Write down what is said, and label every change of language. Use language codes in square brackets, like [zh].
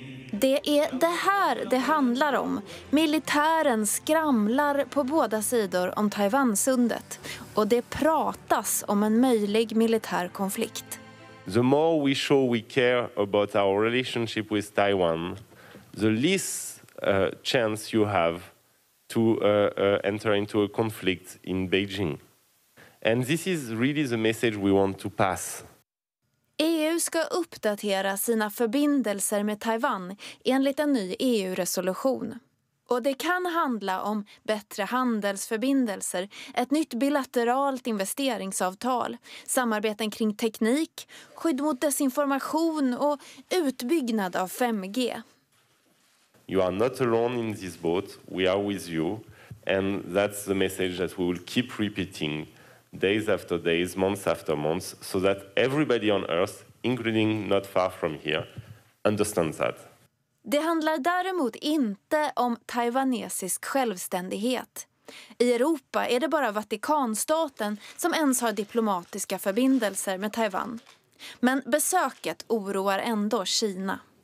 [sv] Det är det här det handlar om. Militären skramlar på båda sidor om Taiwansundet och det pratas om en möjlig militär konflikt. [en] The more we show we care about our relationship with Taiwan, the less chance you have to enter into a conflict in Beijing. And this is really the message we want to pass. [sv] EU ska uppdatera sina förbindelser med Taiwan enligt en ny EU-resolution. Och det kan handla om bättre handelsförbindelser, ett nytt bilateralt investeringsavtal, samarbeten kring teknik, skydd mot desinformation och utbyggnad av 5G. [en] You are not alone in this boat, we are with you. And that's the message that we will keep repeating. Days after days, months after months, so that everybody on earth, including not far from here, understands that. [sv] Det handlar däremot inte om taiwanesisk självständighet. I Europa är det bara Vatikanstaten som ens har diplomatiska förbindelser med Taiwan. Men besöket oroar ändå Kina.